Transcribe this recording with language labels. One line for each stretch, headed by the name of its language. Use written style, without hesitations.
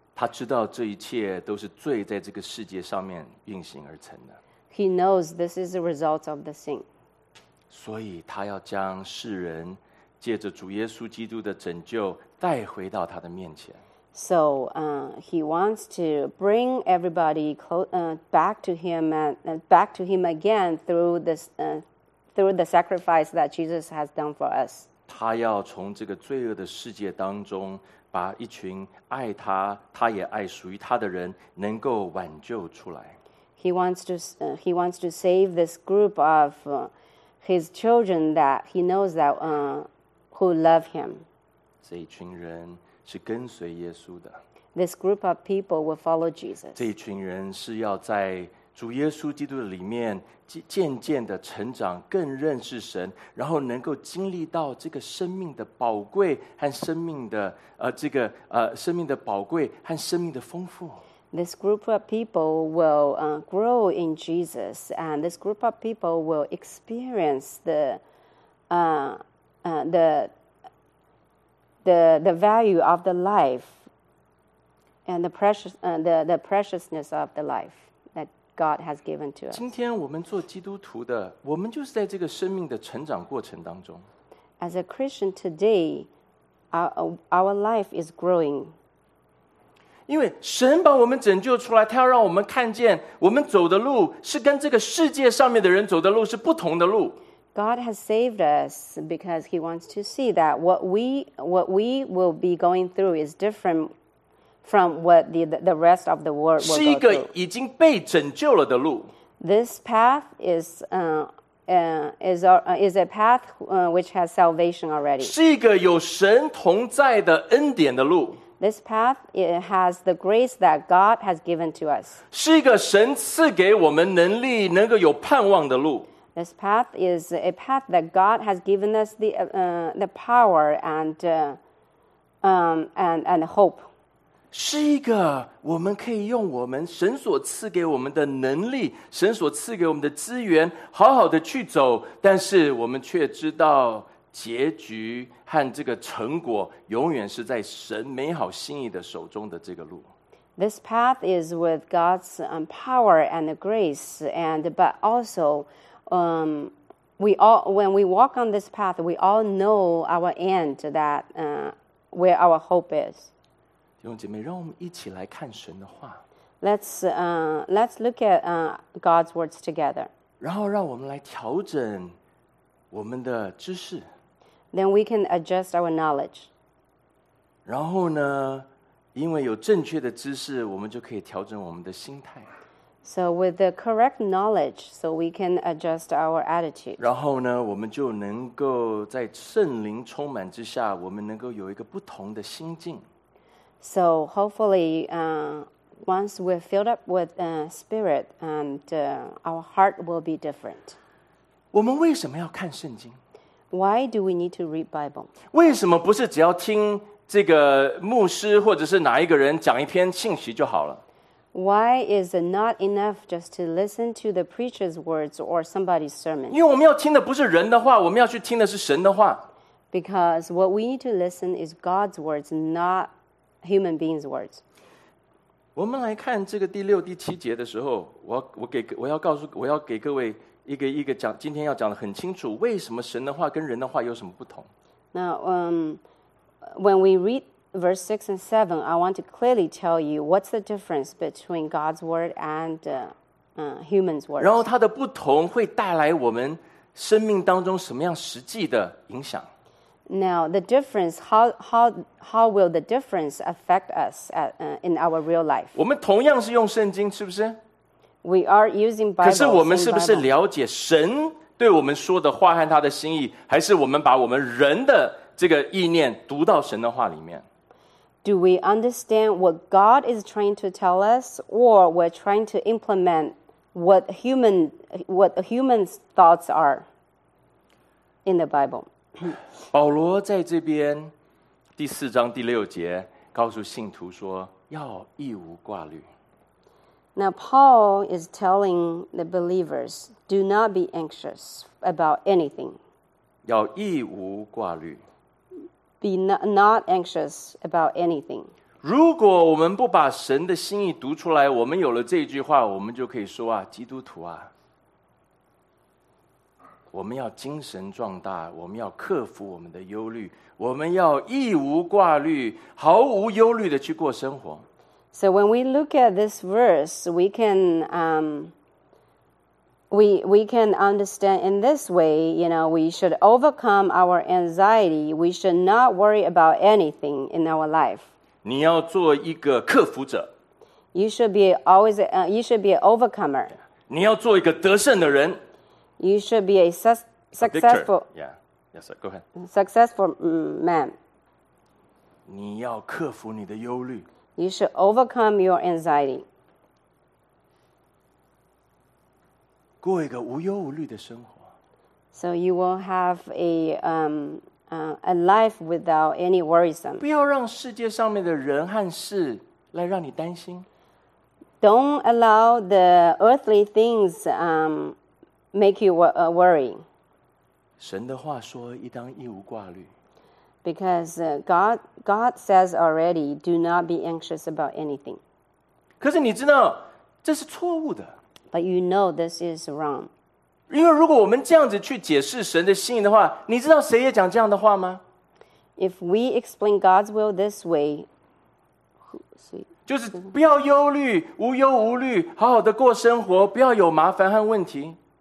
Chinese: 他知道这一切都是罪在这个世界上面运行而成的。
English: He knows this is the result of the sin.
Chinese: 所以他要将世人借着主耶稣基督的拯救带回到他的面前。
English: So, he wants to bring everybody back to him again through the sacrifice that Jesus has done for us.
Chinese: 他要从这个罪恶的世界当中把一群爱他，他也爱属于他的人能够挽救出来。
English: He wants to save this group of his children that he knows that who love him.
Chinese: 这一群人是跟随耶稣的。
English: This group of people will follow Jesus.
Chinese: 这一群人是要在主耶稣基督的里面渐渐的成长，更认识神，然后能够经历到这个生命的宝贵和生命的生命的宝贵和生命的丰富。
English: This group of people will grow in Jesus, and this group of people will experience the value of the life and the preciousness of the life that God has given to us.
Chinese: 今天我们做基督徒的，我们就是在这个生命的成长过程当中。
English: As a Christian today, our life is growing.
Chinese: 因为神把我们拯救出来，他要让我们看见我们走的路是跟这个世界上面的人走的路是不同的路。
English: God has saved us because He wants to see that what we will be going through is different from what the rest of the world will go through.
Chinese: 是一个已经被拯救了的路。
English: This path is a path which has salvation already.
Chinese: 是一个有神同在的恩典的路。
English: This path has the grace that God has given to us.
Chinese: 是一个神赐给我们能力能够有盼望的路。
English: This path is a path that God has given us the power and hope.
Chinese: 是一个我们可以用我们神所赐给我们的能力，神所赐给我们的资源，好好的去走，但是我们却知道结局和这个成果永远是在神美好心意的手中的这个路。
English: This path is with God's power and grace, but also when we walk on this path, we all know our end, that where our hope is.
Chinese: 弟兄姐妹，让我们一起来看神的话。
English: Let's look at God's words together.
Chinese: 然后让我们来调整我们的知识。
English: Then we can adjust our knowledge.
Chinese: 然后呢，因为有正确的知识，我们就可以调整我们的心态。
English: So with the correct knowledge, so we can adjust our attitude.
Chinese: 然后呢，我们就能够在圣灵充满之下，我们能够有一个不同的心境。
English: So hopefully, once we're filled up with Spirit, and our heart will be different.
Chinese: 我们为什么要看圣经？
English: Why do we need to read Bible?
Chinese: 为什么不是只要听这个牧师或者是哪一个人讲一篇信息就好了？
English: Why is it not enough just to listen to the preacher's words or somebody's sermon?
Chinese: 因为我们要听的不是人的话，我们要去听的是神的话。
English: Because what we need to listen is God's words, not human beings' words.
Chinese: 我们来看这个第六、第七节的时候，我要给各位。一个讲，今天要讲的很清楚，为什么神的话跟人的话有什么不同？
English: Now, when we read verse 6 and 7, I want to clearly tell you what's the difference between God's word and human's word.
Chinese: 然后它的不同会带来我们生命当中什么样实际的影响？
English: Now, the difference, how will the difference affect us at, in our real life?
Chinese: 我们同样是用圣经，是不是？
English: We are using Bible.
Chinese: 可是我们是不是了解神对我们说的话和他的心意，还是我们把我们人的这个意念读到神的话里面？
English: Do we understand what God is trying to tell us, or we're trying to implement what humans' thoughts are in the Bible?
Chinese: 保罗在这边第四章第六节告诉信徒说，要一无挂虑。
English: Now, Paul is telling the believers, do not be anxious about anything.
Chinese: 要一无挂虑。
English: Be not anxious about anything.
Chinese: 如果我们不把神的心意读出来，我们有了这句话，我们就可以说啊，基督徒啊，我们要精神壮大，我们要克服我们的忧虑，我们要一无挂虑，毫无忧虑的去过生活。
English: So when we look at this verse, we can we can understand in this way, you know, we should overcome our anxiety. We should not worry about anything in our life.
Chinese: 你要做一个克服者。
English: You should be always you should be an overcomer.
Chinese: 你要做一个得胜的人。
English: You should be a successful. Yeah. Yes, sir. Go ahead. Successful man.
Chinese: 你要克服你的忧虑。
English: You should overcome your anxiety.
Chinese: 过一个无忧无虑的生活。
English: So you will have a life without any worrisome.
Chinese: 不要让世界上面的人和事来让你担心。
English: Don't allow the earthly things make you worry.
Chinese: 神的话说，一当一无挂虑。
English: Because God says already, do not be anxious about anything.
Chinese: 可是你知道这是错误的。
English: But you know this is wrong.
Chinese: 因为如果我们这样子去解释神的心意的话，你知道谁也讲这样的话吗？
English: If we explain God's will this way,
Chinese: 就是不要忧虑，无忧无虑，好好的过生活，不要有麻烦和问题。